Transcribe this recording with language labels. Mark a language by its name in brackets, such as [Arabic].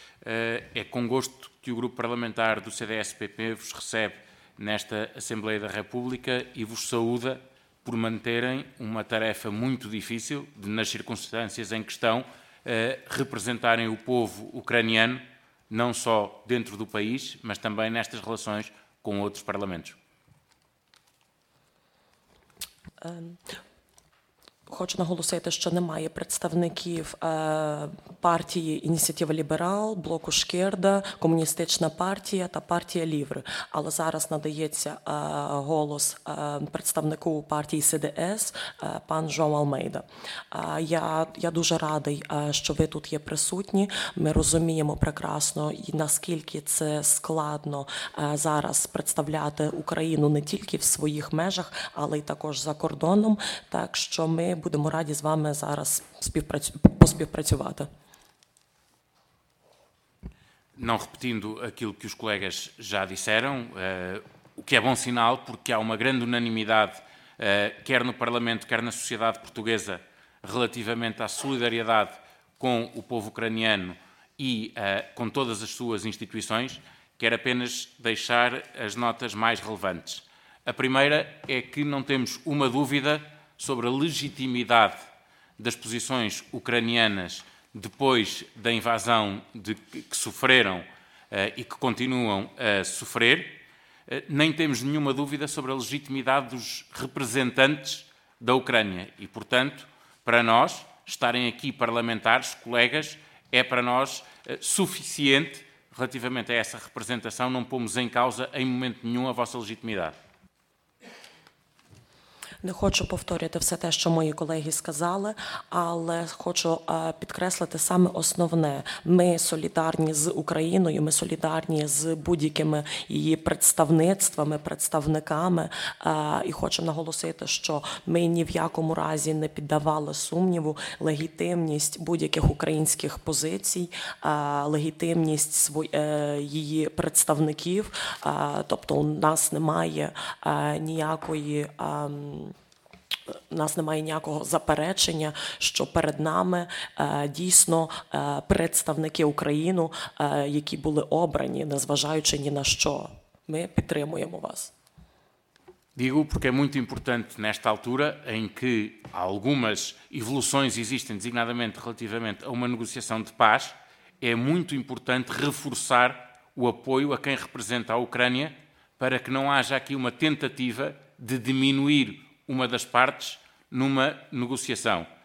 [Portuguese] É com gosto que o Grupo Parlamentar do CDS-PP vos recebe nesta Assembleia da República e vos saúda por manterem uma tarefa muito difícil de, nas circunstâncias em que estão, representarem o povo ucraniano, não só dentro do país, mas também nestas relações com outros parlamentos. [Ukrainian] Хочу наголосити, що немає представників партії Ініціатива Ліберал, Блоку Шкерда, Комуністична партія та партія Лівр. Але зараз надається голос представнику партії СДС, пан Жоан Алмейда. Я дуже радий, що ви тут є присутні. Ми розуміємо прекрасно, наскільки це складно зараз представляти Україну не тільки в своїх межах, але й також за кордоном. Так що ми будемо раді з вами зараз поспівпрацювати. [Portuguese] Não repetindo aquilo que os colegas já disseram, o que é bom sinal, porque há uma grande unanimidade, quer no Parlamento, quer na sociedade portuguesa, relativamente à solidariedade com o povo ucraniano e com todas as suas instituições. Quero apenas deixar as notas mais relevantes. A primeira é que não temos uma dúvida sobre a legitimidade das posições ucranianas depois da invasão que sofreram e que continuam a sofrer, nem temos nenhuma dúvida sobre a legitimidade dos representantes da Ucrânia. E, portanto, para nós, estarem aqui parlamentares, colegas, é para nós suficiente relativamente a essa representação. Não pomos em causa, em momento nenhum, a vossa legitimidade. [Ukrainian] Не хочу повторювати все те, що мої колеги сказали, але хочу підкреслити саме основне. Ми солідарні з Україною, ми солідарні з будь-якими її представництвами, представниками. І хочу наголосити, що ми ні в якому разі не піддавали сумніву легітимність будь-яких українських позицій, легітимність її представників. Тобто у нас немає ніякої... У нас немає ніякого заперечення, що перед нами дійсно представники України, які були обрані, незважаючи ні на що. Ми підтримуємо вас. [Portuguese] Digo porque é muito importante nesta altura em que algumas evoluções existem, designadamente relativamente a uma negociação de paz, é muito importante reforçar o apoio a quem representa a Ucrânia para que não haja aqui uma tentativa de diminuir uma das partes numa negociação.